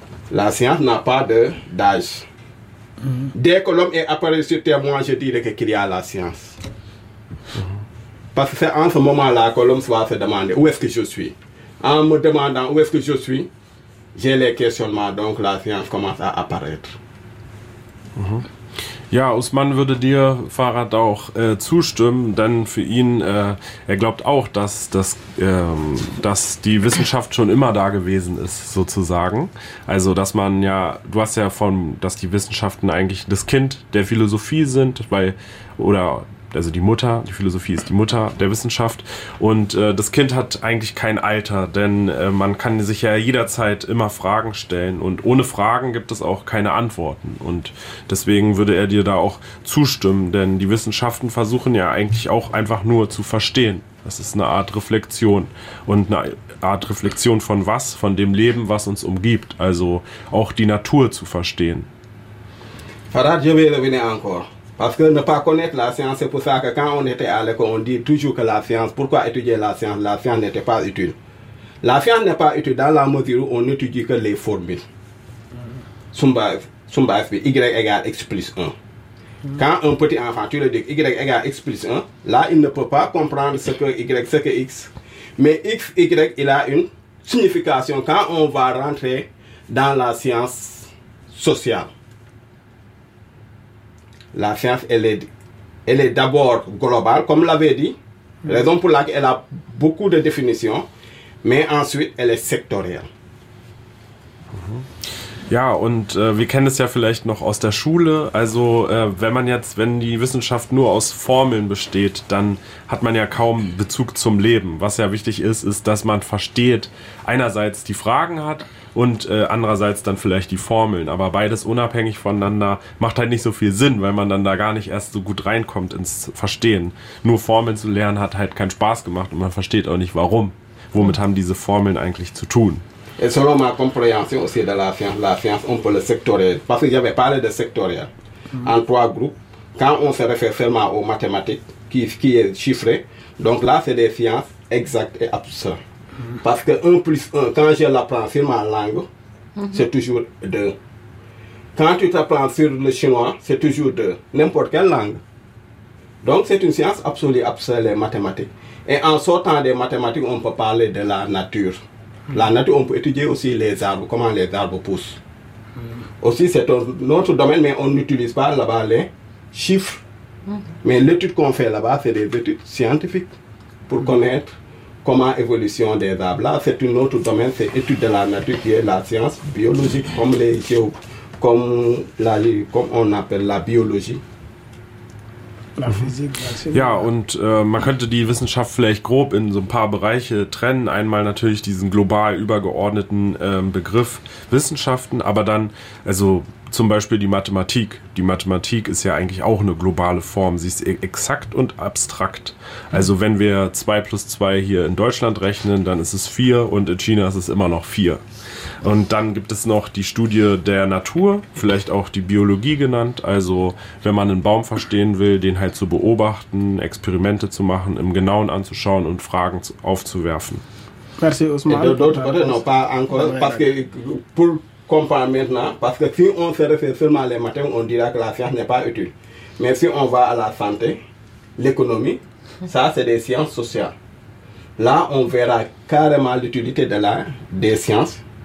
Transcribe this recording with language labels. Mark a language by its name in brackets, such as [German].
[French] La science n'a pas d'âge. Dès que l'homme est apparu sur terre, moi je dirais qu'il y a la science. Parce que c'est en ce moment-là que l'homme va se demander où est-ce que je suis. En me demandant où est-ce que je suis, j'ai les questionnements, donc la science commence à apparaître. [German] Ja, Ousmane würde dir, Farhat, auch zustimmen, denn für ihn, er glaubt auch, dass die Wissenschaft schon immer da gewesen ist, sozusagen. Also, dass man ja, du hast ja von, dass die Wissenschaften eigentlich das Kind der Philosophie sind, also die Mutter, die Philosophie ist die Mutter der Wissenschaft. Und das Kind hat eigentlich kein Alter, denn man kann sich ja jederzeit immer Fragen stellen. Und ohne Fragen gibt es auch keine Antworten. Und deswegen würde er dir da auch zustimmen, denn die Wissenschaften versuchen ja eigentlich auch einfach nur zu verstehen. Das ist eine Art Reflexion. Und eine Art Reflexion von was? Von dem Leben, was uns umgibt. Also auch die Natur zu verstehen. [French] Farhat, je vais revenir encore. Parce que ne pas connaître la science, c'est pour ça que quand on était à l'école, on dit toujours que la science, pourquoi étudier la science? La science n'était pas utile. La fièvre n'est pas utile dans la mesure où on n'étudie que les formules. Sumba F, Y égale X plus 1. Quand un petit enfant, tu le dis Y égale X plus 1, là, il ne peut pas comprendre ce que X. Mais X, Y, il a une signification quand on va rentrer dans la science sociale. La science, elle est d'abord globale, comme l'avait dit, raison pour laquelle elle a beaucoup de définitions, mais ensuite, elle est sectorielle. [German] Ja, und wir kennen es ja vielleicht noch aus der Schule. Also wenn die Wissenschaft nur aus Formeln besteht, dann hat man ja kaum Bezug zum Leben. Was ja wichtig ist, ist, dass man versteht, einerseits die Fragen hat und andererseits dann vielleicht die Formeln. Aber beides unabhängig voneinander macht halt nicht so viel Sinn, weil man dann da gar nicht erst so gut reinkommt ins Verstehen. Nur Formeln zu lernen hat halt keinen Spaß gemacht und man versteht auch nicht, warum. Womit haben diese Formeln eigentlich zu tun? [French] Et selon ma compréhension aussi de la science, on peut le sectoriser. Parce que j'avais parlé de sectoriel en trois groupes. Quand on se réfère seulement aux mathématiques qui est chiffré, donc là, c'est des sciences exactes et absurdes. Parce que 1 plus 1, quand je l'apprends sur ma langue, c'est toujours 2. Quand tu t'apprends sur le chinois, c'est toujours 2. N'importe quelle langue. Donc, c'est une science absolue, absurde, les mathématiques. Et en sortant des mathématiques, on peut parler de la nature. La nature, on peut étudier aussi les arbres, comment les arbres poussent. Aussi, c'est un autre domaine, mais on n'utilise pas là-bas les chiffres. Mais l'étude qu'on fait là-bas, c'est des études scientifiques pour connaître comment évolution des arbres. Là, c'est un autre domaine, c'est l'étude de la nature qui est la science biologique, comme les comme on appelle la biologie. [German] Ja, und man könnte die Wissenschaft vielleicht grob in so ein paar Bereiche trennen. Einmal natürlich diesen global übergeordneten Begriff Wissenschaften, aber dann, also zum Beispiel die Mathematik. Die Mathematik ist ja eigentlich auch eine globale Form. Sie ist exakt und abstrakt. Also wenn wir 2 plus 2 hier in Deutschland rechnen, dann ist es 4 und in China ist es immer noch 4. Und dann gibt es noch die Studie der Natur, vielleicht auch die Biologie genannt. Also wenn man einen Baum verstehen will, den halt zu beobachten, Experimente zu machen, im Genauen anzuschauen und Fragen aufzuwerfen. [French] Merci, Ousmane. Comprendre maintenant, parce que si on se réfère seulement à les mathématiques, on dira que la science n'est pas utile. Mais si on va à la santé, l'économie, ça c'est des sciences sociales. Là, on verra carrément l'utilité de des sciences.